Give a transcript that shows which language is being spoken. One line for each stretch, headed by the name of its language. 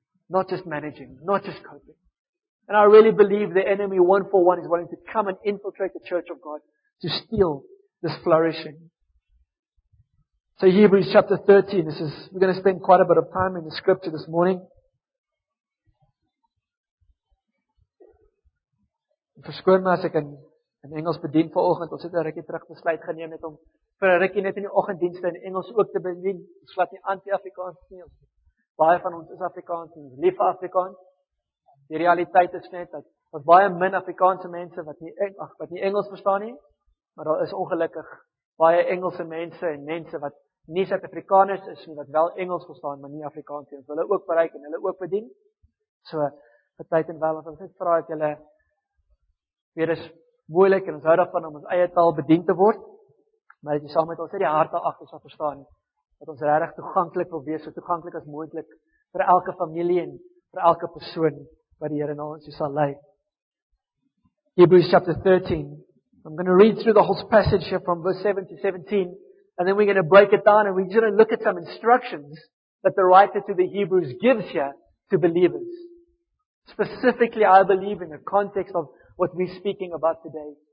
English: Not just managing, not just coping. And I really believe the enemy, one for one, is wanting to come and infiltrate the church of God to steal this flourishing. So Hebrews chapter 13, we're going to spend quite a bit of time in the scripture this morning.
Afrikaans: Verskoon my as ek in Engels bedien vanoggend, ons het 'n rukkie terug besluit geneem net om vir 'n rukkie net in die oggenddienste in Engels ook te bedien. Ons vat nie anti-Afrikaans nie. Baie van ons is Afrikaans en ons lief vir Afrikaans. Die realiteit is net dat daar baie min Afrikaanse mense wat nie Engels verstaan nie, maar daar is ongelukkig baie Engelse mense en mense wat nie Suid-Afrikaners is nie, wat wel Engels verstaan, maar nie Afrikaans nie. Hulle ook bereik en hulle ook bedien. So, vir tyd en wel, ons het vra dat julle weer is moeilik en ons hou daarvan om ons eie taal bedien te word, maar dat jy saam met ons uit die harte agter sal verstaan, dat ons regtig toeganklik wil wees, so toeganklik as moontlik vir elke familie en vir elke persoon wat die Here na ons sal lei.
English: Hebrews chapter 13. I'm going to read through the whole passage here from verse 7 to 17. And then we're going to break it down and we're going to look at some instructions that the writer to the Hebrews gives here to believers. Specifically, I believe in the context of what we're speaking about today.